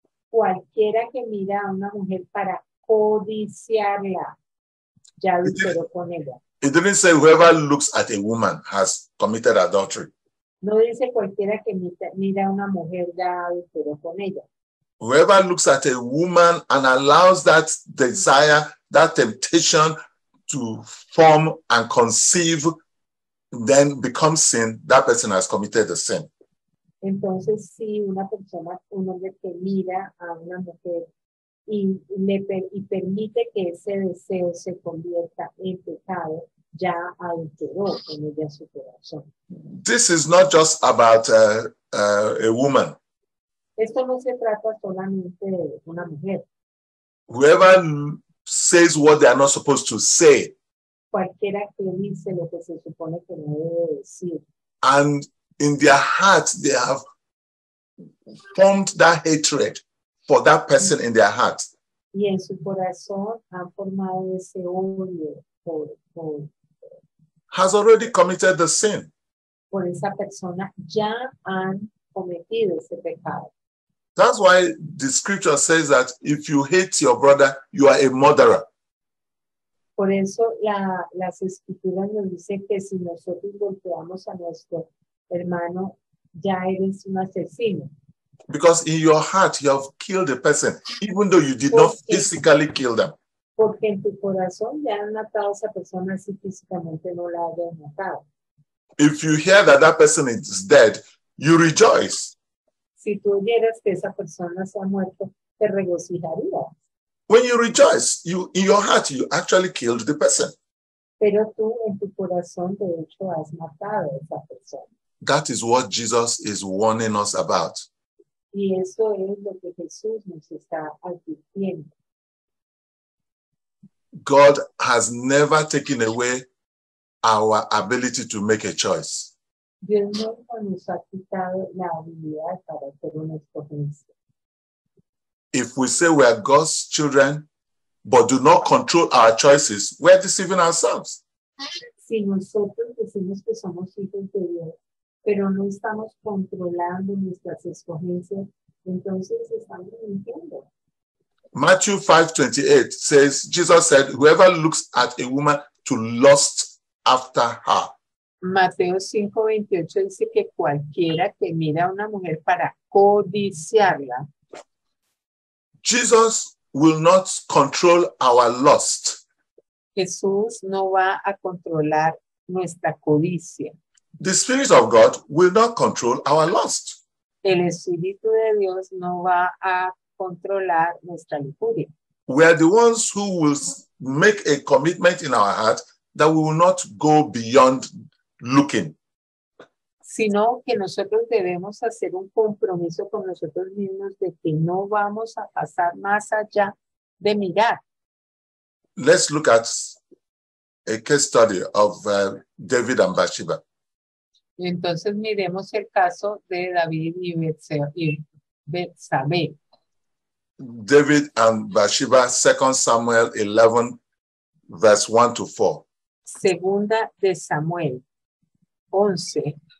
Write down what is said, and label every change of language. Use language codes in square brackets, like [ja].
[es] Cualquiera que mira a una mujer para codiciarla, ya adulteró con ella. [en] It didn't say whoever looks at a woman has committed adultery. [es] No dice cualquiera que mira a una mujer ya adulteró con ella. [en] Whoever looks at a woman and allows that desire, that temptation to form and conceive, then becomes sin, that person has committed the sin. [es] Entonces, si una persona, un hombre que mira a una mujer y permite que ese deseo se convierta en pecado, ya adulteró con ella su corazón. [en] This is not just about a woman. [es] Esto no se trata solamente de una mujer. [en] Whoever says what they are not supposed to say. [es] Cualquiera que dice lo que se supone que no debe decir. [en] And in their heart, they have formed that hatred for that person in their heart. [es] Y en su corazón han formado ese odio por. [en] Has already committed the sin. [es] Por esa persona ya han cometido ese pecado. [en] That's why the scripture says that if you hate your brother, you are a murderer. [es] Por eso las escrituras nos dicen que si nosotros golpeamos a nuestro hermano, ya eres un asesino. [en] Because in your heart you have killed a person, even though you did not physically kill them. [es] Porque en tu corazón ya han matado a esa persona si físicamente no la hayan matado. [en] If you hear that that person is dead, you rejoice. [es] Si tú oyeras que esa persona se ha muerto, te regocijarías. [en] When you rejoice, you in your heart you actually killed the person. [es] Pero tú en tu corazón de hecho has matado a esa persona. [en] That is what Jesus is warning us about. [es] Y eso es lo que Jesús nos está advirtiendo. [en] God has never taken away our ability to make a choice. [es] Dios nunca nos ha quitado la habilidad para hacer una escogencia. [en] If we say we are God's children, but do not control our choices, we are deceiving ourselves. [es] Si nosotros decimos que somos hijos de Dios, pero no estamos controlando nuestras escogencias, entonces estamos mintiendo. [en] Matthew 5:28 says, Jesus said, whoever looks at a woman to lust after her. [es] Mateo 5:28 dice que cualquiera que mira a una mujer para codiciarla. [en] Jesus will not control our lust. [es] Jesús no va a controlar nuestra codicia. [en] The Spirit of God will not control our lust. [es] El Espíritu de Dios no va a controlar nuestra lujuria. [en] We are the ones who will make a commitment in our heart that we will not go beyond looking. [es] Sino que nosotros debemos hacer un compromiso con nosotros mismos de que no vamos a pasar más allá de mirar. [en] Let's look at a case study of David and Bathsheba. [es] Entonces miremos el caso de David y Betsabé. [en] David and Bathsheba, 2 Samuel 11, verse 1 to 4. [es] Segunda de Samuel 11.